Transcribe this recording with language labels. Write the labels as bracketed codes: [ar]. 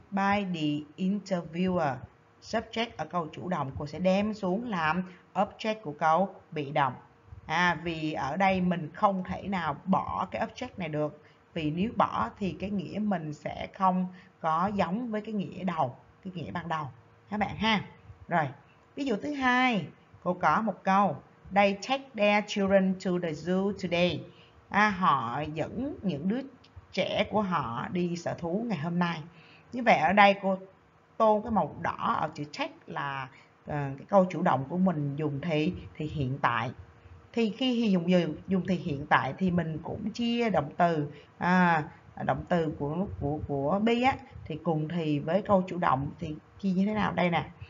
[en] By the interviewer. [vi] Subject ở câu chủ động cô sẽ đem xuống làm object của câu bị động. Vì ở đây mình không thể nào bỏ cái object này được. Vì nếu bỏ thì cái nghĩa mình sẽ không có giống với cái nghĩa đầu, cái nghĩa ban đầu các bạn ha. Rồi, ví dụ thứ hai, cô có một câu. [en] They take their children to the zoo today. [vi] Họ dẫn những đứa trẻ của họ đi sở thú ngày hôm nay. Như vậy ở đây cô tô cái màu đỏ ở chữ take là cái câu chủ động của mình dùng thì hiện tại. Thì khi dùng thì hiện tại thì mình cũng chia động từ của be á thì cùng thì với câu chủ động thì chia như thế nào đây nè.